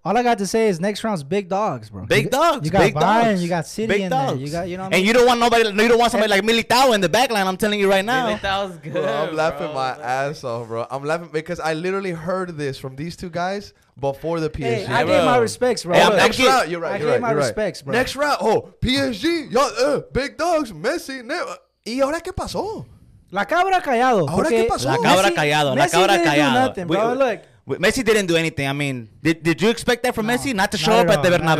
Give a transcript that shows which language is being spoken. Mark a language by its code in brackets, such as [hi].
[en] All I got to say is next round's big dogs, bro. Big dogs. You got City big in dogs. There. You got, you know. And you don't want nobody. You don't want somebody like Militao in the back line. I'm telling you right now. Militao's good. Bro, I'm laughing my ass off, bro. I'm laughing because I literally heard this from these two guys before the PSG. Hey, I gave my respects, bro. Next round, you're right. Next round, oh, PSG, big dogs, Messi, Neymar. [es] ¿Y ahora qué pasó? La cabra callado. ¿Ahora qué pasó? La cabra callado. [en] Messi didn't do nothing, bro. Look. Messi didn't do anything. I mean, did you expect that from Messi? Not to show up at the Bernabeu?